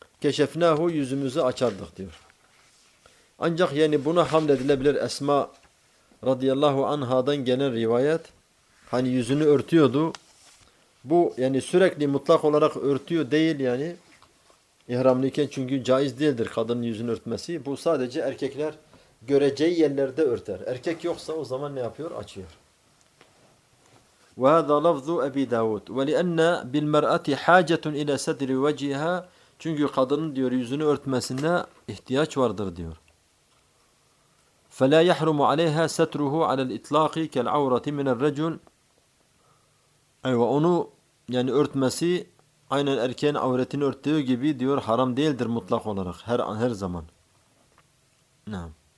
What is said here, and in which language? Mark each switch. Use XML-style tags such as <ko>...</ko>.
<ar>كَشَفْنَاهُ</ar> <tr>yüzümüzü açardık diyor. Ancak yani buna hamledilebilir Esma radıyallahu anhadan gelen rivayet. Hani yüzünü örtüyordu. Bu yani sürekli mutlak olarak örtüyor değil yani. İhramlıyken çünkü caiz değildir kadının yüzünü örtmesi. Bu sadece erkekler göreceği yerlerde örter. Erkek yoksa o zaman ne yapıyor? Açıyor.</tr> <ar>وَهَذَا لَفْظُ أَبِي دَاوُدُ وَلِأَنَّ بِالْمَرْأَةِ حَاجَةٌ اِلَى سَدْرِ وَجِيهَا</ar> <tr>çünkü kadının diyor yüzünü örtmesine ihtiyaç vardır diyor.</tr> <ar>فَلَا يَحْرُمُ عَلَيْهَا سَتْرُهُ عَلَى الْإِطْلَاقِ كَالْعَوْرَةِ مِنَ الرَّجُلِ</ar> <tr>ve onu yani örtmesi aynen erkeğin avretini örttüğü gibi diyor haram değildir mutlak olarak her an her zaman.</tr> <ar>نعم.</ar>